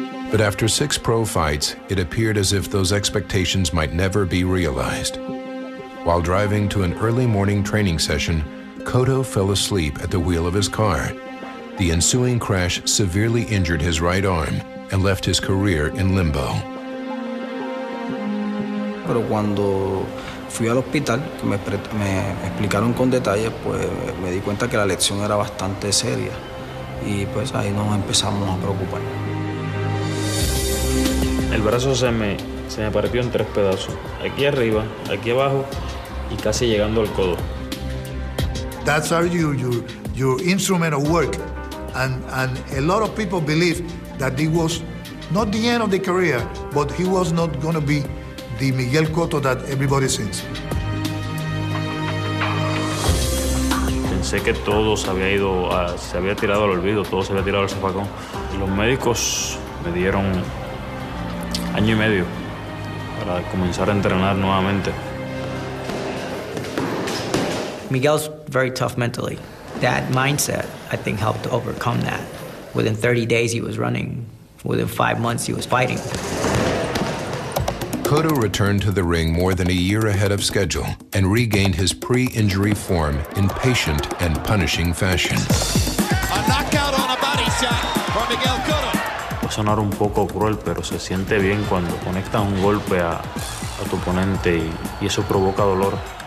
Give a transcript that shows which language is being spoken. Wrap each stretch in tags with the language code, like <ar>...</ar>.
<en>But after six pro fights, it appeared as if those expectations might never be realized. While driving to an early morning training session, Cotto fell asleep at the wheel of his car. The ensuing crash severely injured his right arm and left his career in limbo.</en> <es>Pero cuando fui al hospital, me explicaron con detalle, pues me di cuenta que la lesión era bastante seria, y pues ahí nos empezamos a preocupar. El brazo se me partió en tres pedazos, aquí arriba, aquí abajo, y casi llegando al codo.</es> <en>That's how your instrument of work. And a lot of people believe that it was not the end of the career, but he was not going to be the Miguel Cotto that everybody sees.</en> <es>Sé que todo se había ido, se había tirado al olvido, todo se había tirado al zapacón. Los médicos me dieron año y medio para comenzar a entrenar nuevamente.</es> <en>Miguel's very tough mentally. That mindset, I think, helped overcome that. Within 30 days, he was running. Within 5 months, he was fighting. Cotto returned to the ring more than a year ahead of schedule and regained his pre-injury form in patient and punishing fashion. A knockout on a body shot for Miguel Cotto.</en> <es>Puede sonar un poco cruel, pero se siente bien cuando conectas un golpe a tu oponente y eso provoca dolor.</es>